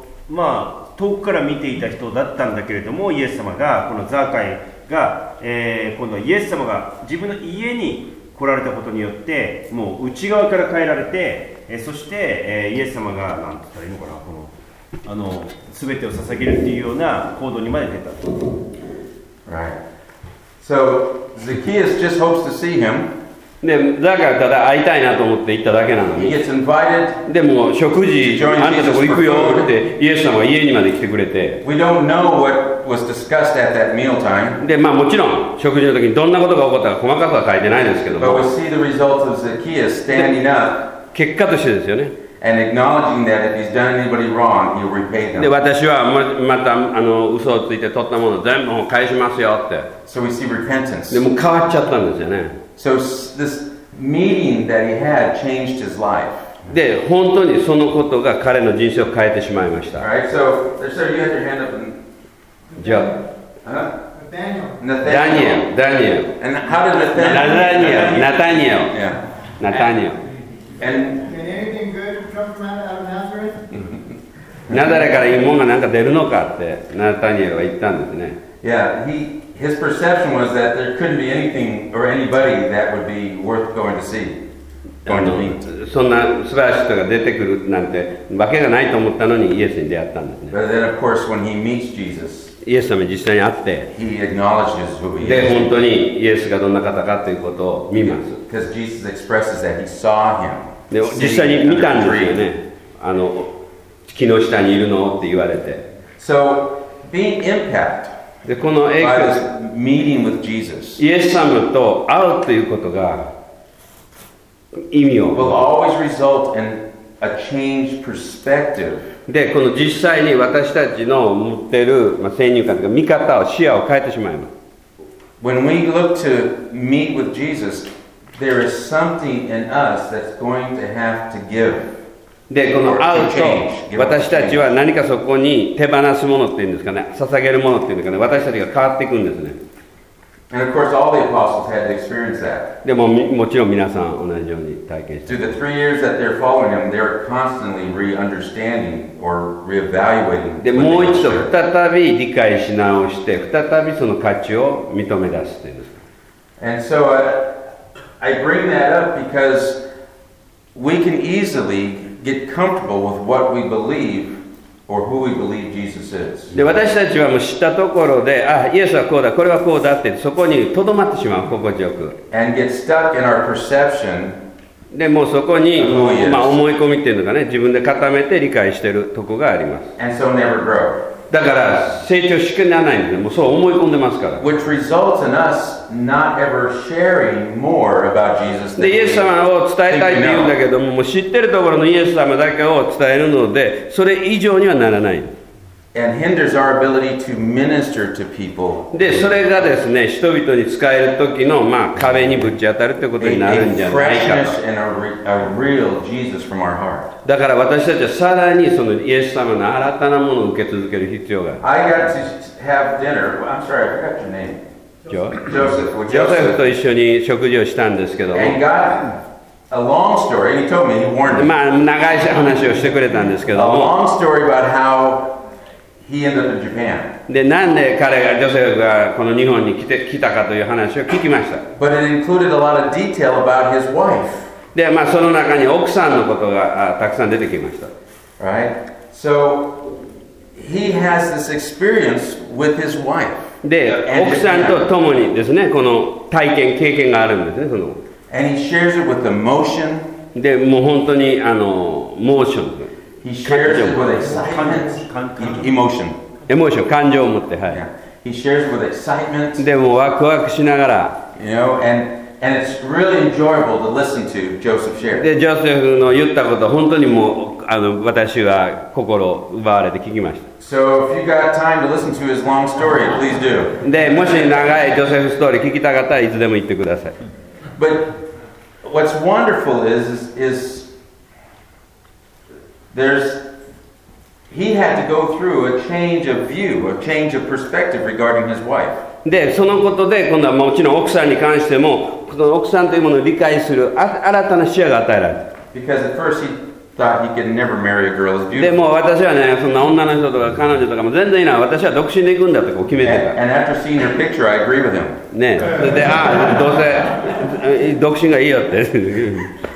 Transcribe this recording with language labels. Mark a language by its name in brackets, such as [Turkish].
[Japanese] まあ遠くから見ていた人だったんだけれどもイエス様がこのザーカイが、今度はイエス様が自分の家に来られたことによってもう内側から変えられて、そして、イエス様が何て言ったらいいのかなこの全てを捧げるっていうような行動にまで出たと。 [English] Right. So Zacchaeus just hopes to see him. [Japanese] でザーカイはただ会いたいなと思って行っただけなのに、でも食事あんたとこ行くよってイエス様が家にまで来てくれて、で、まあ、もちろん食事の時にどんなことが起こったか細かくは書いてないですけども、結果としてですよね。 [English] And acknowledging that if he's done anybody wrong, he'll repay them. [Japanese] で、私はまた嘘をついて取ったものを全部返しますよって。 [English] So we see repentance. [Japanese] でも変わっちゃったんですよね。 [English] So this meeting that he had changed his life. [Japanese] で、本当にそのことが彼の人生を変えてしまいました。 [English] Alright, so there's a you have your hand up. Joe. Huh? Nathaniel. Daniel. And how did Nathaniel? Nathaniel. Yeah. Nathaniel. And can anything good come from out of Nazareth? [Japanese] Nazareth からいいものがなんか出るのかって Nathaniel は言ったんですね。 [English] Yeah. His perception was that there couldn't be anything or anybody that would be worth going to see. Going to meet. [Japanese] そんな素晴らしい人が出てくるなんてわけがないと思ったのにイエスに出会ったんですね。 [English] But then, of course, when he meets Jesus. [Japanese] イエス様実際に会って、 [English] he acknowledges who he is. [Japanese] で本当にイエスがどんな方かということを見ます。 [English] Because Jesus expresses that he saw him. [Japanese] で実際に見たんですよね。木の下にいるのって言われて。 [English] So being impact. [Japanese] でこの影響、 [English] meeting with Jesus. [Japanese] イエス様と会うということが意味を。 [English] Will always result in a changed perspective. [Japanese] でこの実際に私たちの持っている、先入観というか見方を視野を変えてしまいます。 [English] When we look to meet with Jesus, there is something in us that's going to have to give. [Japanese] でこの会うと私たちは何かそこに手放すものっていうんですかね、捧げるものっていうんですかね、私たちが変わっていくんですね。 [English] And of course, all the apostles had to experience that. [Japanese] でも、もちろん皆さん同じように体験して。 [English] Through the 3 years that they're following him, they're constantly re-understanding or re-evaluating. [Japanese] で、もう一度再び理解し直して、再びその価値を認め出すというんですか。 [English] And so I bring that up because we can easily get comfortable with what we believe. Or who we believe Jesus is. [Japanese] で私たちはもう知ったところで、あ、イエスはこうだ、これはこうだってそこにとどまってしまう、心地よく。 [English] And get stuck in our perception. [Japanese] でもうそこに、思い込みっていうのかね、自分で固めて理解しているとこがあります。 [English] And so never grow. [Japanese] だから成長しきらないんで、もうそう思い込んでますから。 [English] Which results in us not ever sharing more about Jesus. [Japanese] でイエス様を伝えたいって言うんだけども、もう知ってるところのイエス様だけを伝えるので、それ以上にはならない。 [English] And hinders our ability to minister to people. [Japanese] でそれがですね、人々に使える時の壁にぶち当たるってことになるんじゃないかと。 [English] A freshness and a real Jesus from our heart. [Japanese] だから私たちはさらにそのイエス様の新たなものを受け続ける必要がある。 [English] I got to have dinner. I'm sorry, I forgot your name. Joseph. [Japanese] Joseph と一緒に食事をしたんですけど。 [English] And got a long story. He told me, he warned me. [Japanese] 長い話をしてくれたんですけども。 [English] A long story about how he ended up in Japan. [Japanese] で、なんで彼が、ジョセフがこの日本に来たかという話を聞きました。 [English] But it included a lot of detail about his wife. [Japanese] で、その中に奥さんのことがたくさん出てきました。 [English] Right? So, he has this experience with his wife. [Japanese] で、奥さんと共にですね、この体験、経験があるんですね、その。 [English] And he shares it with emotion. [Japanese] で、もう本当に、モーション。 [English] He shares it with excitement. Emotion. [Japanese] Emotion、感情を持って、はい。 [English] Yeah. He shares with excitement. [Japanese] で、もうワクワクしながら。 [English] You know, and it's really enjoyable to listen to Joseph share. [Japanese] で、ジョセフの言ったこと本当にもう私は心を奪われて聞きました。 [English] So if you got time to listen to his long story, please do. [Japanese] で、もし長いジョセフストーリー聞きたかったらいつでも言ってください。 [English] But what's wonderful is there's he had to go through a change of view, a change of perspective regarding his wife. [Japanese] でそのことで今度はもちろん奥さんに関してもこの奥さんというものを理解する新たな視野が与えられた。でも私はねそんな女の人とか彼女とかも全然いない、私は独身で行くんだと決めてた。 [English] and after seeing her picture, I agree with him. [Japanese] ね、それでああどうせ独身がいいよって